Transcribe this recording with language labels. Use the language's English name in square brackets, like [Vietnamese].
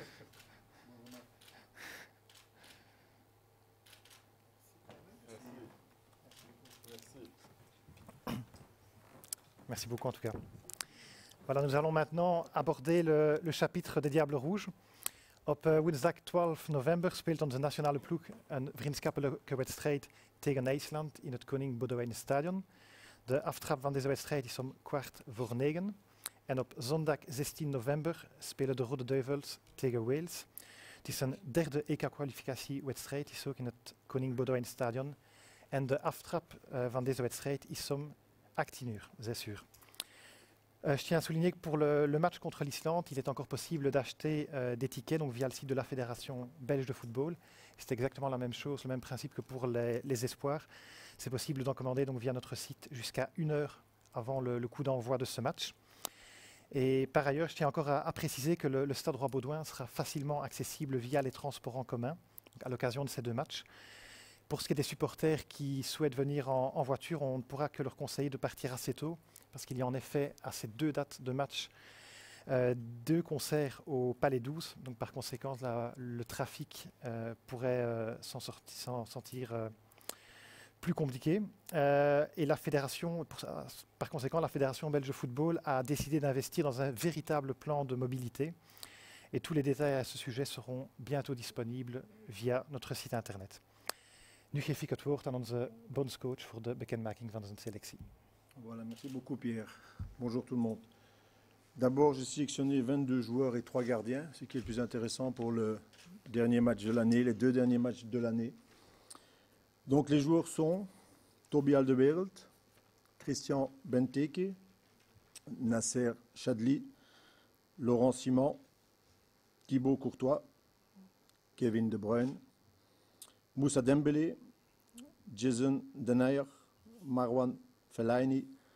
[French] Merci. Merci beaucoup, en tout cas. Voilà, nous allons maintenant aborder le chapitre des Diables Rouges. [Dutch] Op woensdag 12 november speelt onze nationale ploeg een vriendschappelijke wedstrijd tegen IJsland in het Koning Boudewijn Stadion. De aftrap van deze wedstrijd is om 8:45. En op zondag 16 november spelen de Rode Duivels tegen Wales. Het is een derde EK-kwalificatiewedstrijd, is ook in het Koning Boudewijn Stadion. En de aftrap van deze wedstrijd is om 18:00. [French] Je tiens à souligner que pour le match contre l'Islande, il est encore possible d'acheter des tickets donc via le site de la Fédération belge de football. C'est exactement la même chose, le même principe que pour les espoirs. C'est possible d'en commander donc via notre site jusqu'à 1 heure avant le coup d'envoi de ce match. Et par ailleurs, je tiens encore à préciser que le Stade Roi Baudouin sera facilement accessible via les transports en commun à l'occasion de ces deux matchs. Pour ce qui est des supporters qui souhaitent venir en voiture, on ne pourra que leur conseiller de partir assez tôt, parce qu'il y a en effet à ces deux dates de match, deux concerts au Palais 12. Donc par conséquent, le trafic pourrait s'en sentir plus compliqué. Et la fédération, par conséquent, la Fédération belge de football a décidé d'investir dans un véritable plan de mobilité. Et tous les détails à ce sujet seront bientôt disponibles via notre site internet. [Dutch] Nu geef ik het woord aan onze bondscoach voor de bekendmaking van zijn selectie. [French] Voilà, merci beaucoup Pierre. Bonjour tout le monde. D'abord, j'ai sélectionné 22 joueurs et 3 gardiens, ce qui est le plus intéressant pour le dernier match de l'année, les deux derniers matchs de l'année. Donc les joueurs sont Toby Alderweireld, Christian Benteke, Nasser Chadli, Laurent Simon, Thibaut Courtois, Kevin De Bruyne, Moussa Dembélé, Jason Denayer, Marwan Fellaini,